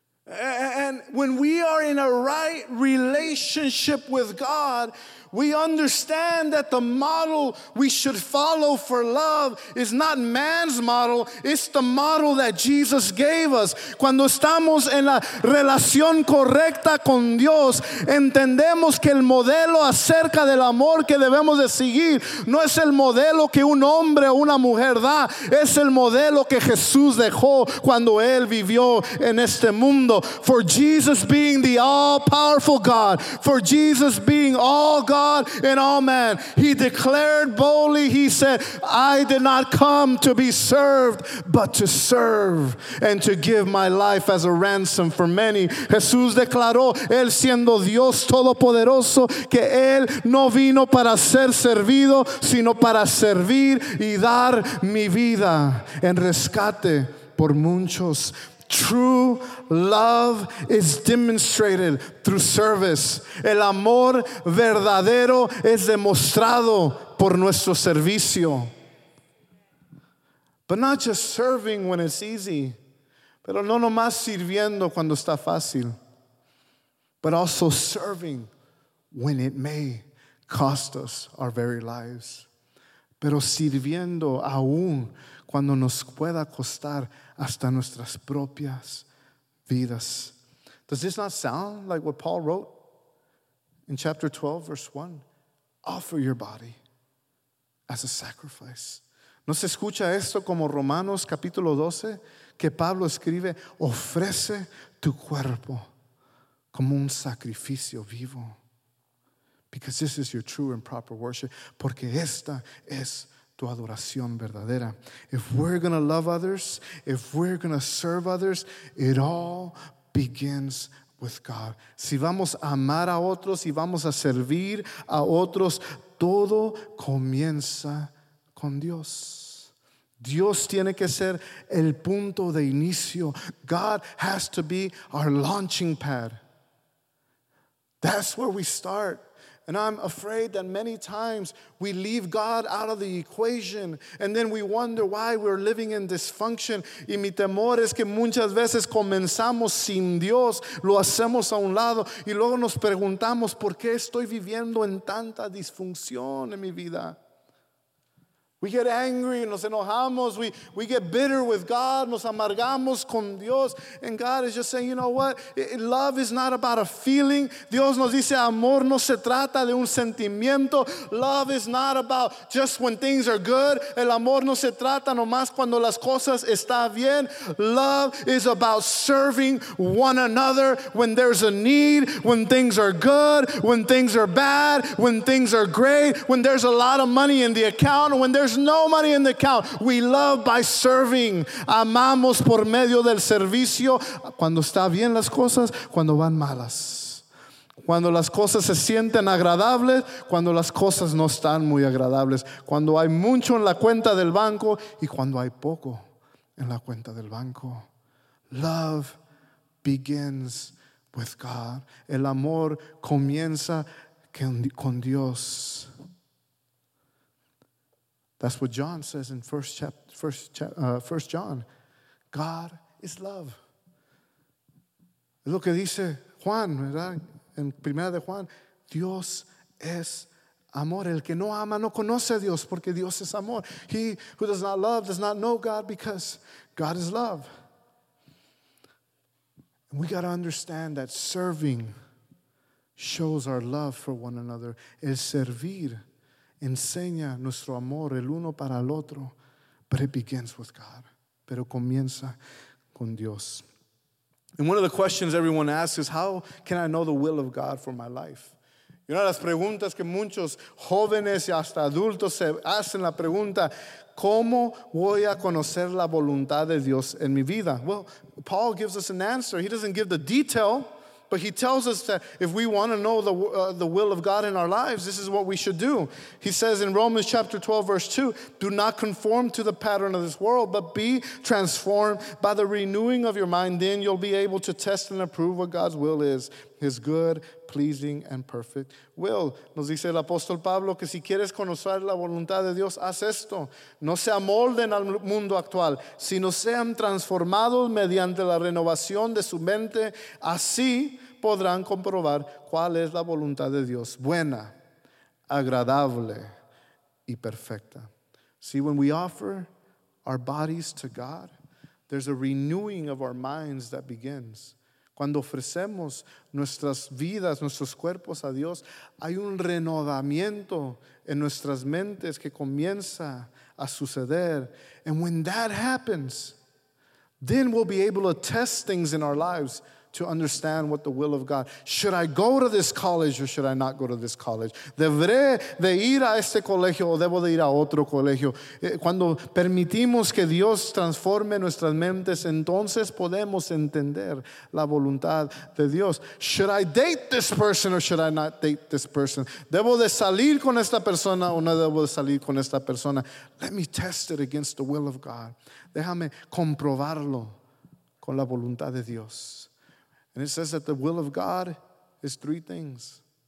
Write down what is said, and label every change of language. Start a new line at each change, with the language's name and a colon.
English: And when we are in a right relationship with God, we understand that the model we should follow for love is not man's model, it's the model that Jesus gave us.
Spanish: Cuando estamos en la relación correcta con Dios, entendemos que el modelo acerca del amor que debemos de seguir no es el modelo que un hombre o una mujer da, es el modelo que Jesús dejó cuando Él vivió en este mundo.
English: For Jesus being the all-powerful God, for Jesus being all God, God and all man, he declared boldly, he said, I did not come to be served, but to serve and to give my life as a ransom for many.
Spanish: Jesús declaró, él siendo Dios todopoderoso, que él no vino para ser servido, sino para servir y dar mi vida en rescate por muchos.
English: True love is demonstrated through service.
Spanish: El amor verdadero es demostrado por nuestro servicio.
English: But not just serving when it's easy,
Spanish: pero no nomás sirviendo cuando está fácil,
English: but also serving when it may cost us our very lives.
Spanish: Pero sirviendo aún cuando nos pueda costar hasta nuestras propias vidas.
English: Does this not sound like what Paul wrote in chapter 12, verse 1? Offer your body as a sacrifice.
Spanish: ¿No se escucha esto como Romanos capítulo 12? Que Pablo escribe, ofrece tu cuerpo como un sacrificio vivo.
English: Because this is your true and proper worship.
Spanish: Porque esta es tu adoración verdadera.
English: If we're going to love others, if we're going to serve others, it all begins with God.
Spanish: Si vamos a amar a otros, si vamos a servir a otros, todo comienza con Dios. Dios tiene que ser el punto de inicio.
English: God has to be our launching pad. That's where we start. And I'm afraid that many times we leave God out of the equation and then we wonder why we're living in dysfunction.
Spanish: Y mi temor es que muchas veces comenzamos sin Dios, lo hacemos a un lado y luego nos preguntamos por qué estoy viviendo en tanta disfunción en mi vida.
English: We get angry,
Spanish: nos enojamos,
English: we get bitter with God,
Spanish: nos amargamos con Dios.
English: And God is just saying, you know what? Love is not about a feeling.
Spanish: Dios nos dice, amor no se trata de un sentimiento.
English: Love is not about just when things are good.
Spanish: El amor no se trata nomás cuando las cosas están bien.
English: Love is about serving one another when there's a need, when things are good, when things are bad, when things are great, when there's a lot of money in the account, when there's no money in the account. We love by serving.
Spanish: Amamos por medio del servicio. Cuando está bien las cosas, cuando van malas. Cuando las cosas se sienten agradables, cuando las cosas no están muy agradables. Cuando hay mucho en la cuenta del banco y cuando hay poco en la cuenta del banco.
English: Love begins with God.
Spanish: El amor comienza con Dios.
English: That's what John says in first John. God is love.
Spanish: Es lo que dice Juan, ¿verdad? En primera de Juan, Dios es amor. El que no ama no conoce a Dios porque Dios es amor.
English: He who does not love does not know God because God is love. And we got to understand that serving shows our love for one another.
Spanish: El servir enseña nuestro amor el uno para el otro,
English: but it begins with God.
Spanish: Pero comienza con Dios.
English: And one of the questions everyone asks is, how can I know the will of God for my life?
Spanish: Y una de las preguntas que muchos jóvenes y hasta adultos se hacen la pregunta, ¿cómo voy a conocer la voluntad de Dios en mi vida?
English: Well, Paul gives us an answer. He doesn't give the detail, but he tells us that if we want to know the will of God in our lives, this is what we should do. He says in Romans chapter 12, verse 2, do not conform to the pattern of this world, but be transformed by the renewing of your mind. Then you'll be able to test and approve what God's will is, His good, pleasing, and perfect will.
Spanish: Nos dice el apóstol Pablo que si quieres conocer la voluntad de Dios, haz esto. No se amolden al mundo actual, sino sean transformados mediante la renovación de su mente. Así podrán comprobar cuál es la voluntad de Dios. Buena, agradable, y perfecta.
English: See, when we offer our bodies to God, there's a renewing of our minds that begins.
Spanish: Cuando ofrecemos nuestras vidas, nuestros cuerpos a Dios, hay un renovamiento en nuestras mentes que comienza a suceder.
English: And when that happens, then we'll be able to test things in our lives to understand what the will of God. Should I go to this college or should I not go to this college?
Spanish: ¿Debré de ir a este colegio o debo de ir a otro colegio? Cuando permitimos que Dios transforme nuestras mentes, entonces podemos entender la voluntad de Dios.
English: Should I date this person or should I not date this person?
Spanish: ¿Debo de salir con esta persona o no debo de salir con esta persona?
English: Let me test it against the will of God.
Spanish: Déjame comprobarlo con la voluntad de Dios.
English: And it says that the will of God is three things.